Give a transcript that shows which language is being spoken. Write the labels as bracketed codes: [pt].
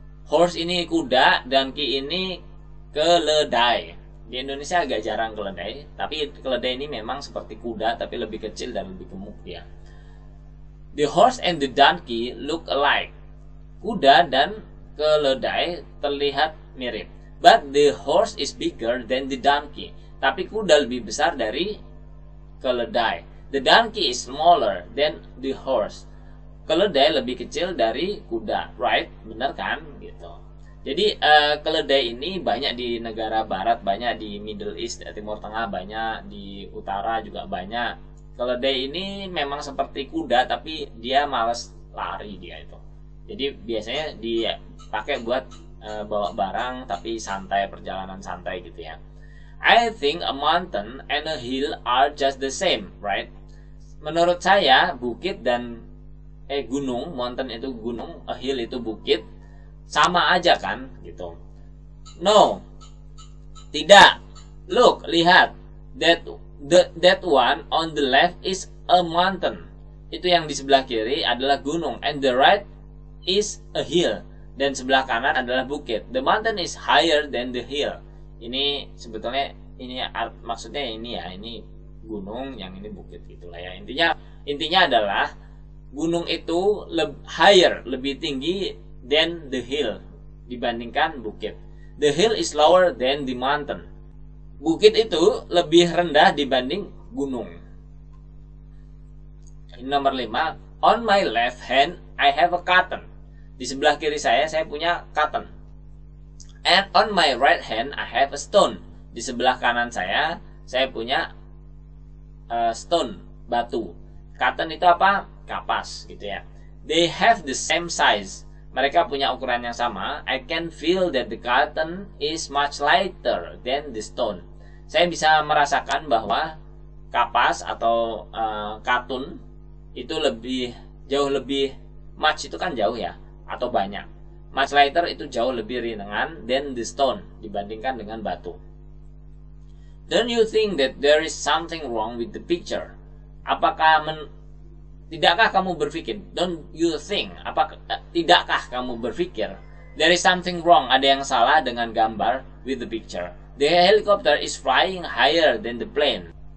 [id] Horse ini kuda, donkey ini keledai. Di Indonesia agak jarang keledai, tapi keledai ini memang seperti kuda, tapi lebih kecil dan lebih gemuk dia. [en] The horse and the donkey look alike. [id] Kuda dan keledai terlihat mirip. [en] But the horse is bigger than the donkey. [id] Tapi kuda lebih besar dari keledai. [en] The donkey is smaller than the horse. [id] Keledai lebih kecil dari kuda. Right? Benar kan? Gitu. Jadi keledai ini banyak di negara barat, banyak di Middle East, Timur Tengah, banyak di utara juga banyak. Keledai ini memang seperti kuda, tapi dia malas lari dia itu. Jadi biasanya dipakai buat bawa barang tapi santai, perjalanan santai gitu ya. [en] I think a mountain and a hill are just the same, right? [id] Menurut saya bukit dan gunung, mountain itu gunung, a hill itu bukit, sama aja kan gitu. No, tidak. [en] Look, lihat, that one on the left is a mountain. [id] Itu yang di sebelah kiri adalah gunung, [en] and the right is a hill. [id] Dan sebelah kanan adalah bukit. [en] The mountain is higher than the hill. [id] Ini sebetulnya ini maksudnya ini ya, ini gunung, yang ini bukit gitulah ya. Intinya adalah gunung itu higher, lebih tinggi [en] than the hill [id] dibandingkan bukit. [en] The hill is lower than the mountain. [id] Bukit itu lebih rendah dibanding gunung. [en] Nomor 5, on my left hand I have a cotton. [id] Di sebelah kiri saya punya cotton. [en] And on my right hand I have a stone. [id] Di sebelah kanan saya punya stone, batu. Cotton itu apa? Kapas gitu ya. [en] They have the same size. [id] Mereka punya ukuran yang sama. [en] I can feel that the cotton is much lighter than the stone. [id] Saya bisa merasakan bahwa kapas atau katun itu lebih jauh lebih, much itu kan jauh ya, atau banyak. [en] Much lighter [id] itu jauh lebih ringan [en] than the stone, [id] dibandingkan dengan batu. [en] Don't you think that there is something wrong with the picture? [id] Apakah tidakkah kamu berpikir? [en] Don't you think? [id] Tidakkah kamu berpikir? [en] There is something wrong, [id] ada yang salah dengan gambar [en] with the picture. The helicopter is flying higher than the plane.